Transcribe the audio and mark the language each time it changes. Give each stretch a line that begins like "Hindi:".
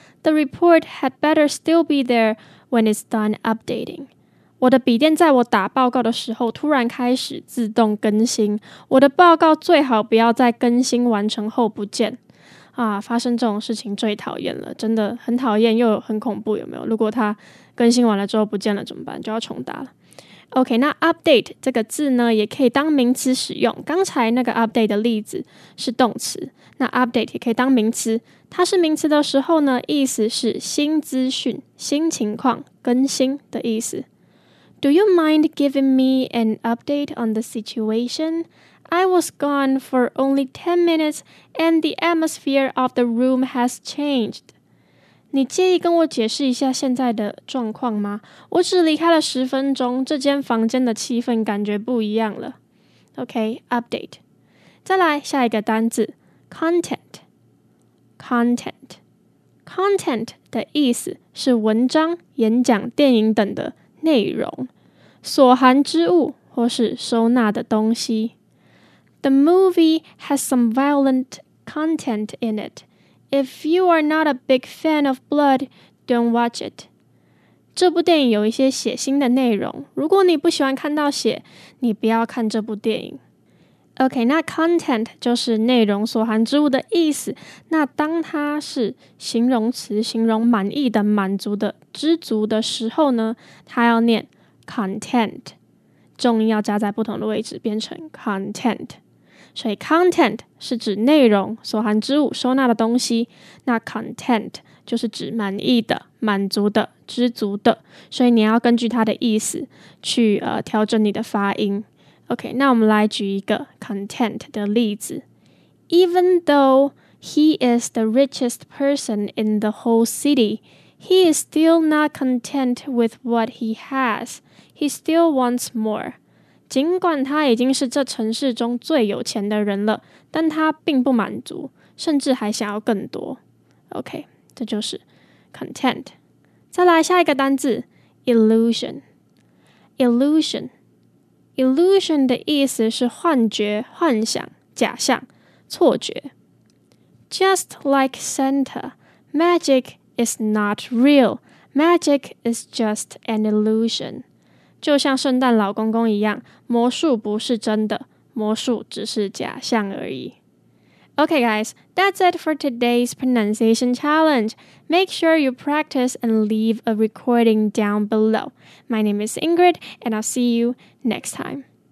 English: The report had better still be there when it's done updating.
Chinese: 我的笔电在我打报告的时候突然开始自动更新，我的报告最好不要在更新完成后不见。啊，发生这种事情最讨厌了，真的很讨厌又很恐怖，有没有？如果它更新完了之后不见了怎么办？就要重打了。OK, 那 update 这个字呢也可以当名词使用，刚才那个 update 的例子是动词，那 update 也可以当名词，它是名词的时候呢意思是新资讯、新情况、更新的意思。
English: Do you mind giving me an update on the situation? I was gone for only 10 minutes and the atmosphere of the room has changed.
Chinese: 你介意跟我解释一下现在的状况吗？我只离开了十分钟，这间房间的气氛感觉不一样了。 OK, update. 再来下一个单字 content.
English: Content.
Chinese: Content 的意思是文章、演讲、电影等的内容，所含之物或是收纳的东西。
English: The movie has some violent content in it. If you are not a big fan of blood, don't watch it.
Chinese: 这部电影有一些血腥的内容，如果你不喜欢看到血，你不要看这部电影。 OK, 那 content 就是内容所含之物的意思，那当它是形容词，形容满意的、满足的、知足的时候呢，它要念 content, 重音要加在不同的位置，变成 content。所以 content 是指内容、所含之物、收纳的东西，那 content 就是指满意的、满足的、知足的，所以你要根据它的意思去调整你的发音。 OK, 那我们来举一个 content 的例子。
English: Even though he is the richest person in the whole city, he is still not content with what he has. He still wants more.
Chinese: 尽管他已经是这城市中最有钱的人了，但他并不满足，甚至还想要更多。 OK, 这就是 content。再来下一个单字 illusion。
English: illusion。
Chinese: illusion 的意思是幻觉、幻想、假象、错觉。
English: Just like Santa, magic is not real. Magic is just an illusion.
Chinese: 就像圣诞老公公一样，魔术不是真的，魔术只是假象而已。
English: Okay guys, that's it for today's pronunciation challenge. Make sure you practice and leave a recording down below. My name is Ingrid, and I'll see you next time.